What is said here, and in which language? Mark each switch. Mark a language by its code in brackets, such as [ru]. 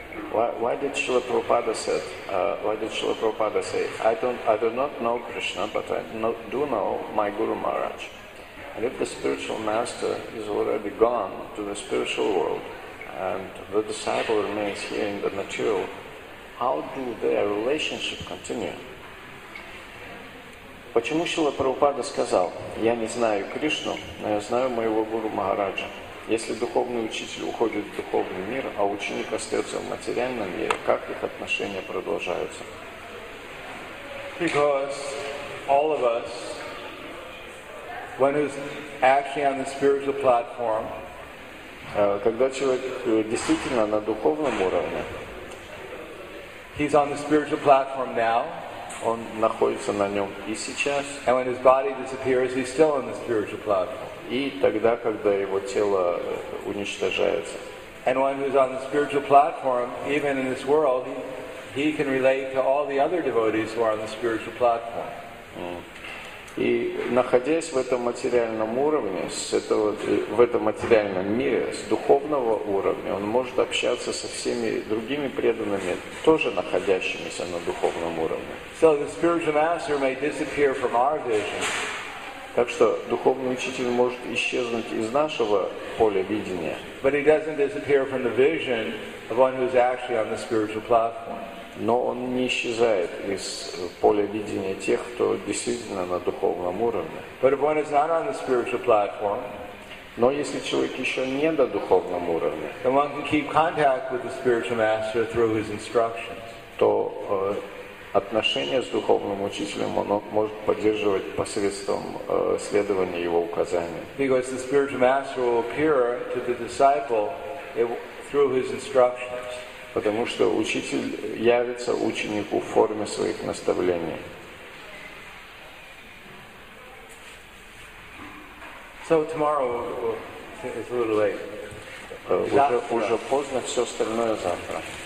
[en] Why did Srila Prabhupada say, I do not know Krishna, but I do know my Guru Maharaj. And if the spiritual master is already gone to the spiritual world, and the disciple remains here in the material, how do their relationship continue? [ru] Почему Шрила Прабхупада сказал, я не знаю Кришну, но я знаю моего Гуру Махараджа? Если духовный учитель уходит в духовный мир, а ученик остается в материальном мире, как их отношения продолжаются? [en] Because all of us, when he's actually on the spiritual platform, [ru] когда человек действительно на духовном уровне, [en] he's on the spiritual platform now, [ru] он находится на нем и сейчас, [en] and when his body disappears, he's still on the spiritual platform. [ru] И тогда, когда его тело уничтожается. [en] And one who's on the spiritual platform, even in this world, he can relate to all the other devotees who are on the spiritual platform. [ru] И находясь в этом материальном уровне, в этом материальном мире, с духовного уровня, он может общаться со всеми другими преданными, тоже находящимися на духовном уровне. [en] So the spiritual master may disappear from our vision. [ru] Так что духовный учитель может исчезнуть из нашего поля видения. [en] But he doesn't disappear from the vision of one who's actually on the spiritual platform. [ru] Но он не исчезает из поля видения тех, кто действительно на духовном уровне. [en] But if one is not on the spiritual platform, [ru] но если человек еще не на духовном уровне, [en] then one can keep contact with the spiritual master through his instructions. [ru] То отношения с духовным учителем он может поддерживать посредством следования его указаниям. [en] Because the spiritual master will appear to the disciple through his instructions. [ru] Потому что учитель явится ученику в форме своих наставлений. [en] So tomorrow is a little late. [ru] Уже поздно, все остальное завтра.